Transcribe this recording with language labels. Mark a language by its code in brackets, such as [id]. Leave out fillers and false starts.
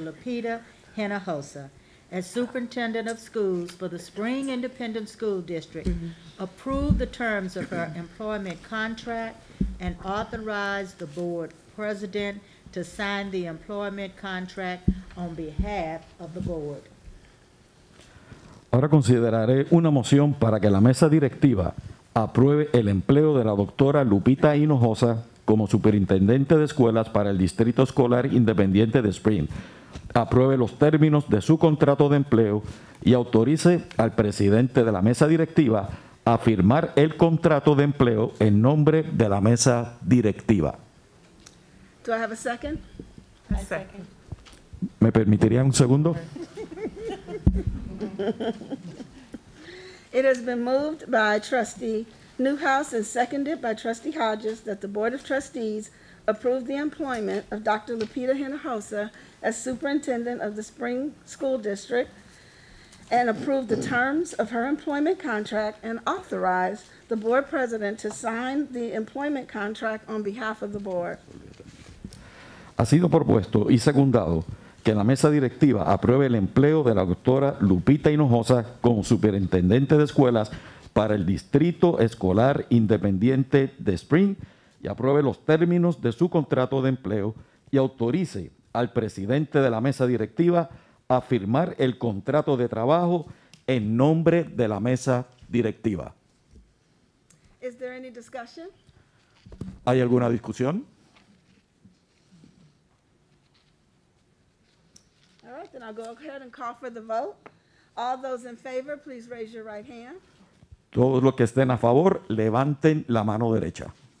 [en] Lupita Hinojosa as Superintendent of Schools for the Spring Independent School District, approve the terms of her employment contract, and authorize the Board President to sign the employment contract on behalf of the Board. [es] Ahora consideraré una moción para que la Mesa Directiva apruebe el empleo de la doctora Lupita Hinojosa como Superintendente de Escuelas para el Distrito Escolar Independiente de Spring. Apruebe los términos de su contrato de empleo y autorice al presidente de la mesa directiva a firmar el contrato de empleo en nombre de la mesa directiva. [en] Do I have a second? A second. [es] ¿Me permitiría un segundo? [en] It has been moved by Trustee Newhouse and seconded by Trustee Hodges that the Board of Trustees approve the employment of Dr. Lupita Hinojosa as superintendent of the Spring School District and approve the terms of her employment contract and authorize the board president to sign the employment contract on behalf of the board. [es] Ha sido propuesto y secundado que la mesa directiva apruebe el empleo de la doctora Lupita Hinojosa como superintendente de escuelas para el Distrito Escolar Independiente de Spring y apruebe los términos de su contrato de empleo y autorice al presidente de la mesa directiva a firmar el contrato de trabajo en nombre de la mesa directiva. [en] Is there any discussion? [es] ¿Hay alguna discusión? [en] All right, then I'll go ahead and call for the vote. All those in favor, please raise your right hand. [es] Todos los que estén a favor, levanten la mano derecha.